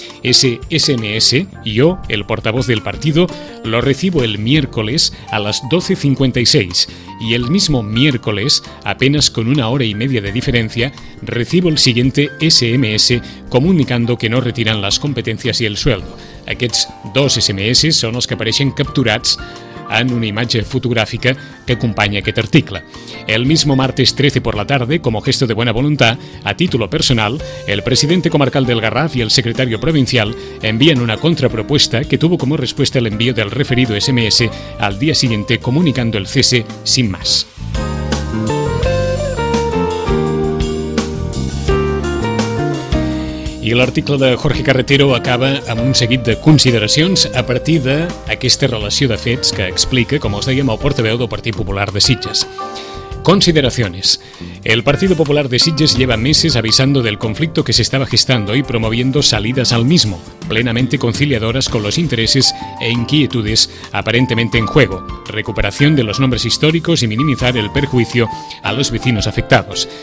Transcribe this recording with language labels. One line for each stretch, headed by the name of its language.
Spanish: Ese SMS, yo, el portavoz del partido, lo recibo el miércoles a las 12:56 y el mismo miércoles, apenas con una hora y media de diferencia, recibo el siguiente SMS comunicando que no retiran las
Catalan: competències i
Spanish: el sueldo.
Catalan: Aquests dos SMS són els que apareixen capturats en una imatge fotogràfica que acompanya aquest article.
Spanish: El mismo martes 13 por la tarde, como gesto de buena voluntad, a título personal, el presidente comarcal del Garraf y el secretario provincial envían una contrapropuesta que tuvo como respuesta el envío del referido SMS al día siguiente comunicando el cese sin más.
Catalan: I l'article de Jorge Carretero acaba amb un seguit de consideracions a partir d'aquesta relació de fets que explica, com us dèiem, el portaveu del Partit Popular de Sitges.
Spanish: Consideraciones. El Partido Popular de Sitges lleva meses avisando del conflicto que se estaba gestando y promoviendo salidas al mismo, plenamente conciliadoras con los intereses e inquietudes aparentemente en juego, recuperación de los nombres históricos y minimizar el perjuicio a los vecinos afectados.